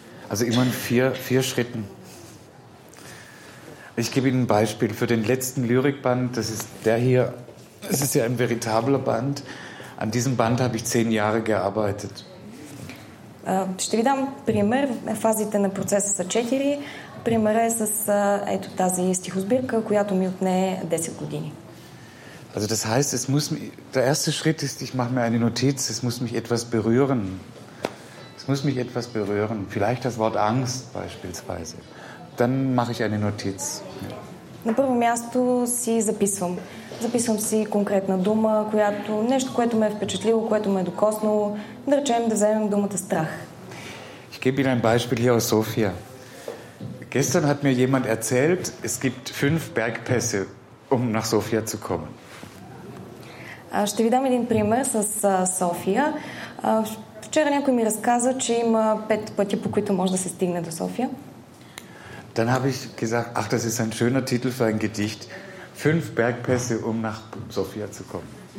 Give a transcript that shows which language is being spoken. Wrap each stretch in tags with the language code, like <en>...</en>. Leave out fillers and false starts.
<de>Also immer in vier Schritten. Ich gebe Ihnen ein Beispiel für den letzten Lyrikband. Das ist der hier. Es ist ja ein veritabler Band. An diesem Band habe ich 10 Jahre gearbeitet.</de> <bg>Ще ви дам пример. Фазите на процеса са 4. Примерът е с ето тази стихосбирка, която ми отне 10 години.</bg> <de>Also das heißt, es muss der erste Schritt ist, ich mache mir eine Notiz, es muss mich etwas berühren. Es muss mich etwas berühren. Vielleicht das Wort Angst beispielsweise. Dann mache ich eine Notiz.</de> <bg>На първо място си записвам. Записвам си конкретна дума, която нещо, което ме е впечатлило, което ме е докоснало. Да речем да вземем думата страх.</bg> <de>Ich gebe Ihnen ein Beispiel hier aus Sofia. Gestern hat mir jemand erzählt, es gibt 5 Bergpässe, um nach Sofia zu kommen.</de> <bg>Ще ви дам един пример с София. Вчера някой ми разказа, че има 5 пъти, по които може да се стигне до София.</bg> <de>Dann habe ich gesagt, ach, das ist ein schöner Titel für ein Gedicht. 5 Bergpässe, um nach Sofia zu kommen.</de>